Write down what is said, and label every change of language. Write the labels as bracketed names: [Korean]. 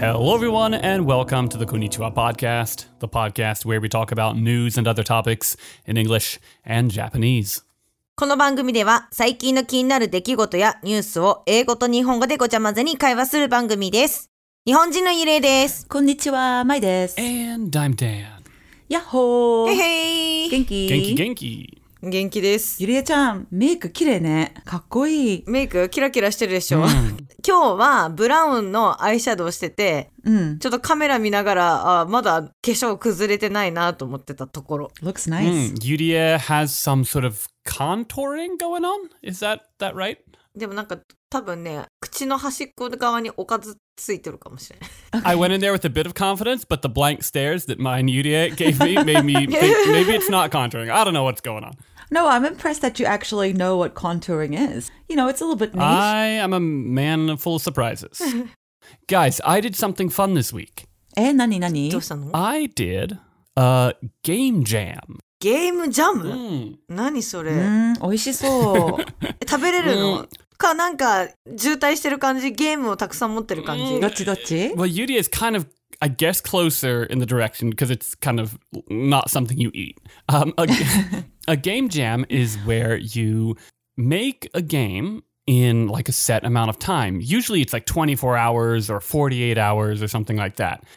[English] Hello everyone and welcome to the Konnichiwa Podcast, the podcast where we talk about news and other topics in English and Japanese. [Japanese] この番組では最近の気になる出来事やニュースを英語と日本語でごちゃ混ぜに会話する番組です。日本人のゆれいです。こんにちは、まいです。 [English] And I'm Dan. [Japanese] やっほー。へへい。元気？元気元気。元気です。ゆりえちゃん、メイク綺麗ね。かっこいい。メイクキラキラしてるでしょ。うん、今日はブラウンのアイシャドウしてて、うん、ちょっとカメラ見ながら、あ、まだ化粧崩れてないなと思ってたところ。 [English] Looks nice. ゆりえ has some sort of contouring going on. Is that right? [Japanese] でもなんか多分ね、口の端っこ側におかずついてるかもしれない。 [English] Okay. I went in there with a bit of confidence, but the blank stares that my new Yuria gave me made me think maybe it's not contouring. I don't know what's going on. No, I'm impressed that you actually know what contouring is. You know, it's a little bit niche. I am a man full of surprises. Guys, I did something fun this week. [Japanese] え、何何？どうしたの？ I did a game jam. ゲームジャム？何それ？美味しそう。食べれるの？かなんか渋滞してる感じ、ゲームをたくさん持ってる感じ。どっちどっち？ [English] Well, Yuri is kind of, I guess, closer in the direction because it's kind of not something you eat. a game jam is where you make a game in like a set amount of time. Usually it's like 24 hours or 48 hours or something like that.